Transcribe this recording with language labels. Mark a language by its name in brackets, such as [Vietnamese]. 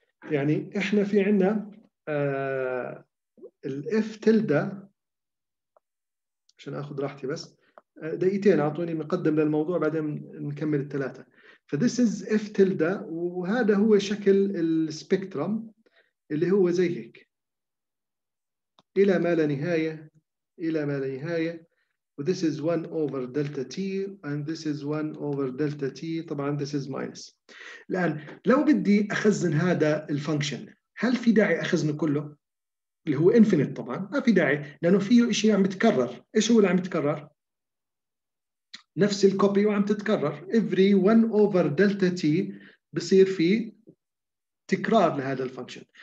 [Arabic] يعني احنا في عندنا الاف tilde عشان أخذ راحتي بس دقيقتين أعطوني نقدم للموضوع بعدين نكمل الثلاثة. ف this is F tilde وهذا هو شكل السبيكترم اللي هو زي هيك إلى ما لا نهاية إلى ما لا نهاية. [English] و this is 1 over delta T and this is 1 over delta T. طبعا this is minus. [Arabic] الآن لو بدي أخزن هذا الفانكشن هل في داعي أخزنه كله؟ اللي هو infinite طبعاً ما في داعي لأنه فيه إشي عم يتكرر. إيش هو اللي عم يتكرر؟ نفس الكوبي وعم تتكرر. [English] every one over delta t [Arabic] بصير فيه تكرار لهذا الفانكشن.